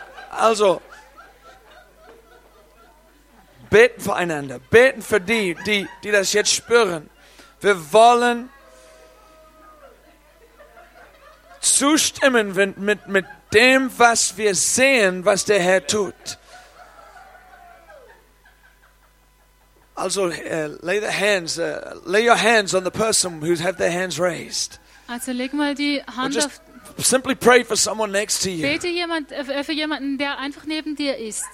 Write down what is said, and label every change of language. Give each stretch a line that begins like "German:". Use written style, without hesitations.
German: Also, beten füreinander, beten für die, die das jetzt spüren. Wir wollen zustimmen mit dem, was wir sehen, was der Herr tut.
English: Also, lay the hands, lay your hands on the person who's had their hands raised.
German: Also, leg mal die Hand
English: just
German: auf.
English: Simply pray for someone next to you.
German: Bete jemand für jemanden, der einfach neben dir ist.